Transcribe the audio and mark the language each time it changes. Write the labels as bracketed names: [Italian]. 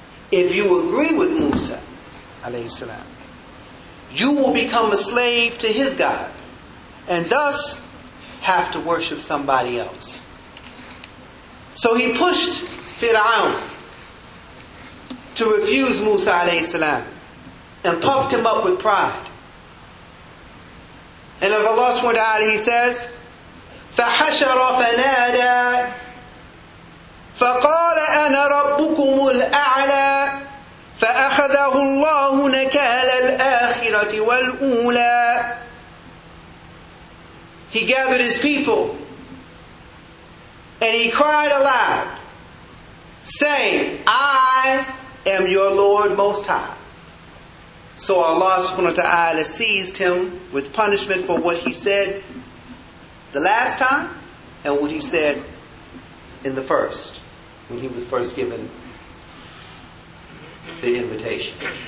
[English] If you agree with Musa, alayhi salam, you will become a slave to his God and thus have to worship somebody else." So he pushed Fir'aun to refuse Musa alayhi salam and puffed him up with pride. And as Allah subhanahu wa ta'ala, he says, [Arabic] فَحَشَرَ فَنَادَى فَقَالَ أَنَا رَبُّكُمُ الْأَعْلَى فَأَخَذَهُ اللَّهُ نَكَالَ الْآخِرَةِ وَالْأُولَى. [English] He gathered his people and he cried aloud, saying, "I am your Lord Most High." So Allah subhanahu wa ta'ala seized him with punishment for what he said the last time and what he said in the first, when he was first given the invitation.